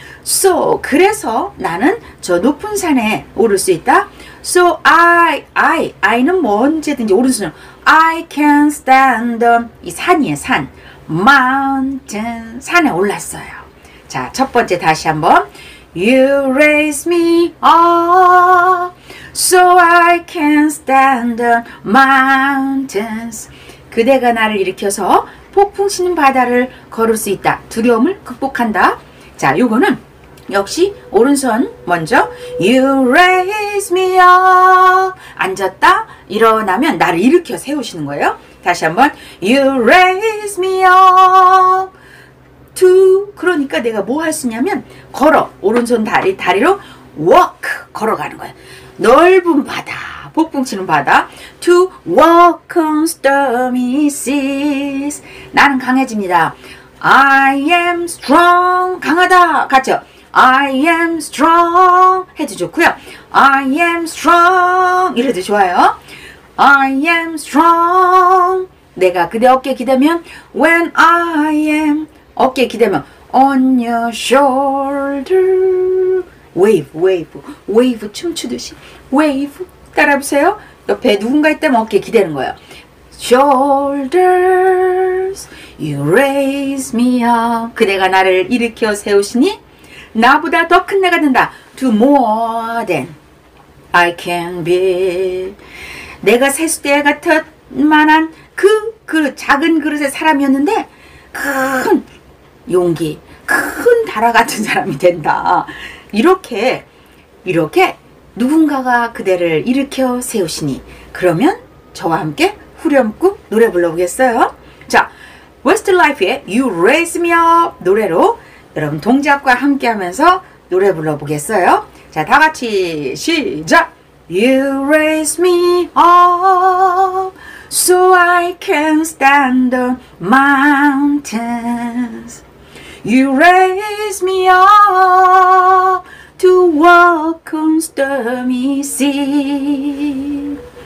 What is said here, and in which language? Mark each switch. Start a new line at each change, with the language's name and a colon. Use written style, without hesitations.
Korean: So, 그래서 나는 저 높은 산에 오를 수 있다. So, I는 뭐 언제든지 오른손으로 I can stand on 이 산이에요, 산. Mountain, 산에 올랐어요. 자, 첫 번째 다시 한번 You raise me up.
English: So I can stand on mountains.
Korean: 그대가 나를 일으켜서 폭풍 치는 바다를 걸을 수 있다. 두려움을 극복한다. 자, 요거는 역시 오른손 먼저 You raise me up. 앉았다. 일어나면 나를 일으켜 세우시는 거예요. 다시 한번 You raise me up. To 그러니까 내가 뭐 할 수 있냐면 걸어. 오른손 다리로 walk 걸어가는 거예요. 넓은 바다, 폭풍치는 바다 To walk on stormy seas 나는 강해집니다 I am strong 강하다 같죠?
English: I am strong 해도 좋고요 I am strong 이래도 좋아요 I am strong 내가 그대 어깨 기대면 When I am 어깨 기대면 On your shoulder wave, wave, wave 춤추듯이 wave 따라해보세요.
Korean: 옆에 누군가 있다면 어깨 기대는 거예요.
English: Shoulders, you raise me up.
Korean: 그대가 나를 일으켜 세우시니 나보다 더 큰 내가 된다.
English: To more than I can be. 내가 세수대 같은 만한
Korean: 그 그릇, 작은 그릇의 사람이었는데 큰 용기, 큰 다라 같은 사람이 된다. 이렇게 이렇게 누군가가 그대를 일으켜 세우시니 그러면 저와 함께 후렴구 노래 불러보겠어요. 자, Westlife의 You Raise Me Up 노래로 여러분 동작과 함께하면서 노래 불러보겠어요. 자, 다 같이 시작.
English: You raise me up so I can stand on mountains. You raise me up to walk on stormy sea.